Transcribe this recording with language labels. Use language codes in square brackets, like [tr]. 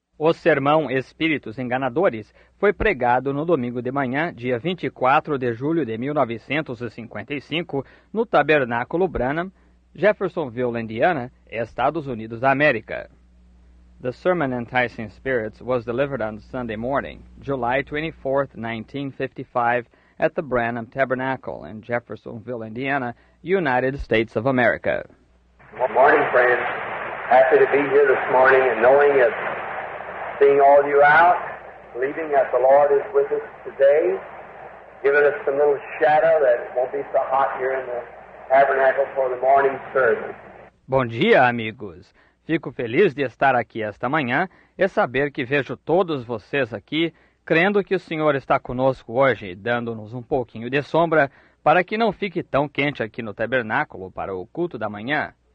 [pt] O sermão Espíritos Enganadores foi pregado no domingo de manhã, dia 24 de julho de 1955, no Tabernáculo Branham, Jeffersonville, Indiana, Estados Unidos da América. [en] The sermon Enticing Spirits was delivered on Sunday morning, July 24, 1955, at the Branham Tabernacle in Jeffersonville, Indiana, United States of America. Good morning, friends. Happy to be here this morning and knowing it. Seeing all of you out, believing that the Lord is with us today, giving us some little shadow that it won't be so hot here in the tabernacle for the morning service. [pt] Bom dia, amigos. Fico feliz de estar aqui esta manhã e saber que vejo todos vocês aqui, crendo que o Senhor está conosco hoje, dando-nos um pouquinho de sombra para que não fique tão quente aqui no tabernáculo para o culto da manhã.